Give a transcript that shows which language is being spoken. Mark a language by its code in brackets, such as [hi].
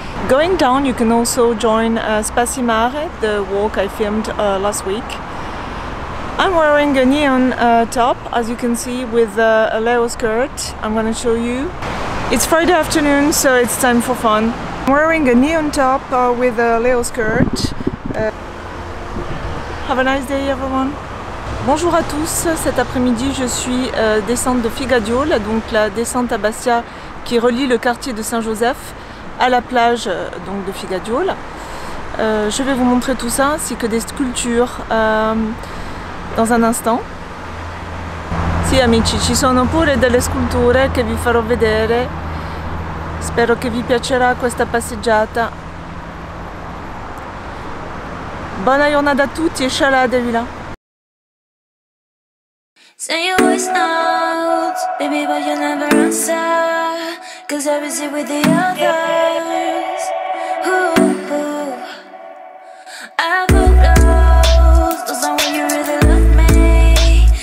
[en] Going down, you can also join Spassi Mare, the walk I filmed last week. I'm wearing a neon top, as you can see, with a leo skirt. I'm going to show you. It's Friday afternoon, so it's time for fun. I'm wearing a neon top with a leo skirt. Have a nice day, everyone. [fr] Bonjour à tous, cet après-midi je suis descente de Ficaghjola, donc la descente à Bastia qui relie le quartier de Saint-Joseph à la plage donc de Ficaghjola. Je vais vous montrer tout ça ainsi que des sculptures dans un instant. [it] Sì, amici, ci sono pure delle sculture che vi farò vedere. Spero che vi piacerà questa passeggiata. Buona giornata a tutti e shalà de villa. [en] Send your voice notes, baby, but you never answer. Cause I'm busy with the others. Ooh, ooh. I put those, those are when you really love me.